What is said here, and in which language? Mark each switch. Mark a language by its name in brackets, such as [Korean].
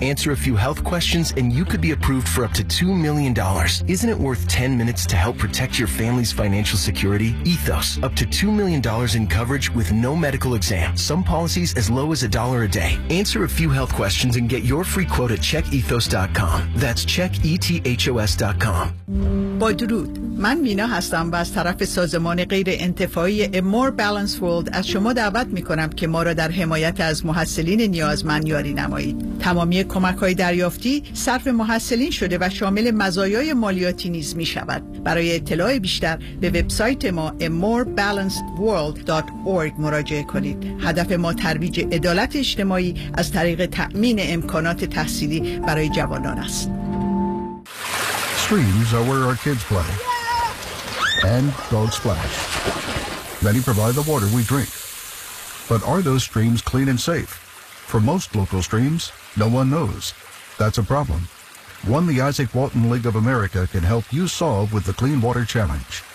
[English] Answer a few health questions and you could be approved for up to $2 million. Isn't it worth 10 minutes to help protect your family's financial security? Ethos, up to $2 million in coverage with no medical exam. Some policies as low as a dollar a day. Answer a few health questions and get your free quote at checkethos.com. That's checkethos.com. [Persian] با درود، من مینا هستم و از طرف سازمان غیر انتفاعی A More Balanced World از شما دعوت میکنم که ما را در حمایت از محصلین نیازمند یاری نمایید. تمامی کمک‌های دریافتی صرف محصلین شده و شامل مزایای مالیاتی نیز میشود. برای اطلاع بیشتر به وبسایت ما amorebalancedworld.org مراجعه کنید. هدف ما ترویج عدالت اجتماعی از طریق تأمین امکانات تحصیلی برای جوانان است. [English] Streams are where our kids play and dogs splash. Many provide the water we drink. But are those streams clean and safe? For most local streams, no one knows. That's a problem. One the Isaac Walton League of America can help you solve with the Clean Water Challenge.